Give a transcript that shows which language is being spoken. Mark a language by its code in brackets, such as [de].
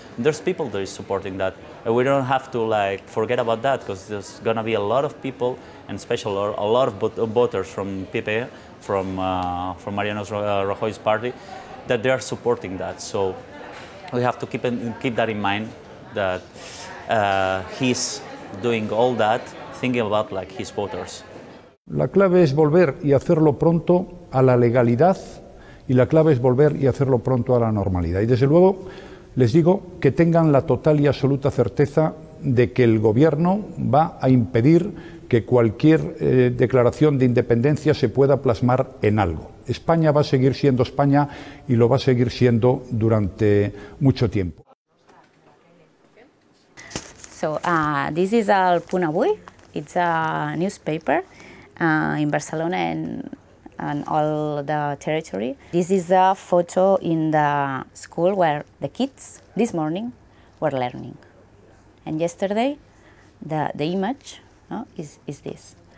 [en] And there's people that is supporting that. And we don't have to like forget about that because there's gonna be a lot of people, and especially a lot of voters from PPE, from Mariano Rajoy's party, that they are supporting that. So we have to keep that in mind, that he's doing all that thinking about like his voters. [es] La clave es volver y hacerlo pronto a la legalidad, y la clave es volver y hacerlo pronto a la normalidad. Y desde luego les digo que tengan la total y absoluta certeza de que el gobierno va a impedir que cualquier declaración de independencia se pueda plasmar en algo. España va a seguir siendo España y lo va a seguir siendo durante mucho tiempo. [en] So, this is El Punt Avui. It's a newspaper in Barcelona and all the territory. This is a photo in the school where the kids this morning were learning. And yesterday, the image is this.